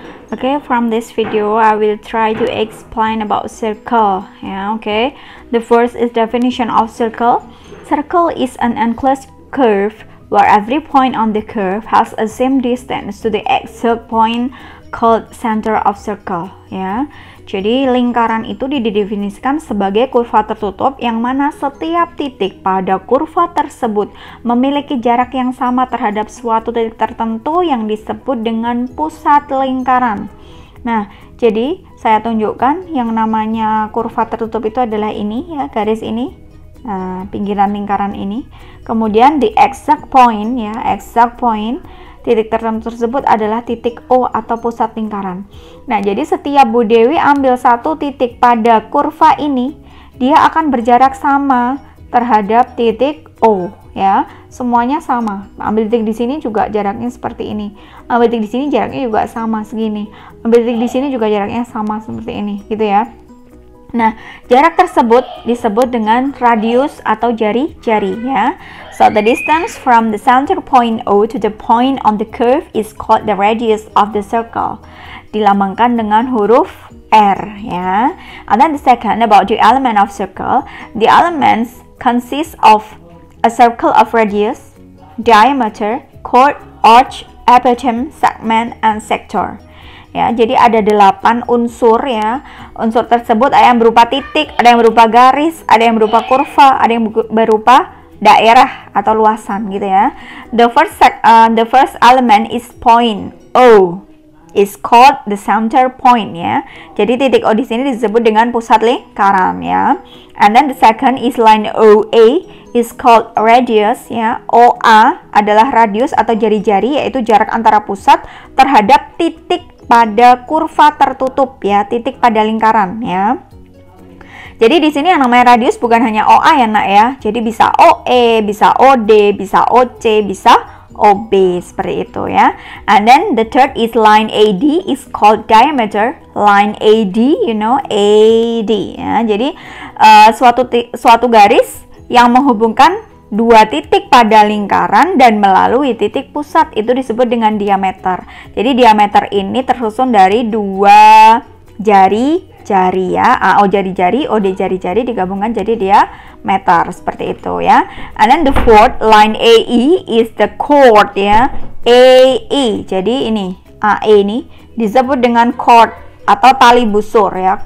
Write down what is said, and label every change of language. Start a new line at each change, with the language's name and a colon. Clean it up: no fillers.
English: Okay, from this video, I will try to explain about circle. Yeah, okay. The first is definition of circle. Circle is an enclosed curve where every point on the curve has a same distance to the exact point called center of circle. Yeah.
Indonesian: Jadi lingkaran itu didefinisikan sebagai kurva tertutup yang mana setiap titik pada kurva tersebut memiliki jarak yang sama terhadap suatu titik tertentu yang disebut dengan pusat lingkaran. Nah, jadi saya tunjukkan yang namanya kurva tertutup itu adalah ini ya, garis ini, pinggiran lingkaran ini. Kemudian di
English: exact point
Indonesian: ya, exact point titik tertentu tersebut adalah titik O atau pusat lingkaran. Nah, jadi setiap Bu Dewi ambil satu titik pada kurva ini, dia akan berjarak sama terhadap titik O, ya. Semuanya sama. Ambil titik di sini juga jaraknya seperti ini. Ambil titik di sini jaraknya juga sama segini. Ambil titik di sini juga jaraknya sama seperti ini, gitu ya. Nah, jarak tersebut disebut dengan radius atau jari-jari, ya.
English: So the distance from the center point O to the point on the curve is called the radius of the circle.
Indonesian: Dilambangkan dengan huruf R, ya.
English: And then the second about the element of circle. The elements consist of a circle of radius, diameter, chord, arch, apothem, segment, and sector.
Indonesian: Ya, jadi ada 8 unsur ya. Unsur tersebut ada yang berupa titik, ada yang berupa garis, ada yang berupa kurva, ada yang berupa daerah atau luasan gitu ya.
English: The first element is point O. Is called the center point ya.
Indonesian: Jadi titik O di sini disebut dengan pusat lingkaran ya.
English: And then the second is line OA is called radius ya.
Indonesian: OA adalah radius atau jari-jari, yaitu jarak antara pusat terhadap titik pada kurva tertutup ya, titik pada lingkaran ya. Jadi di sini yang namanya radius bukan hanya OA ya nak ya, jadi bisa OE, bisa OD, bisa OC, bisa OB seperti itu ya.
English: And then the third is line AD is called diameter. Line AD, you know AD ya.
Indonesian: Jadi suatu garis yang menghubungkan dua titik pada lingkaran dan melalui titik pusat itu disebut dengan diameter. Jadi diameter ini tersusun dari dua jari-jari ya, AO jari-jari, OD jari-jari digabungkan jadi diameter seperti itu ya.
English: And then the fourth line AE is the chord ya, AE.
Indonesian: Jadi ini AE ini disebut dengan chord atau tali busur ya.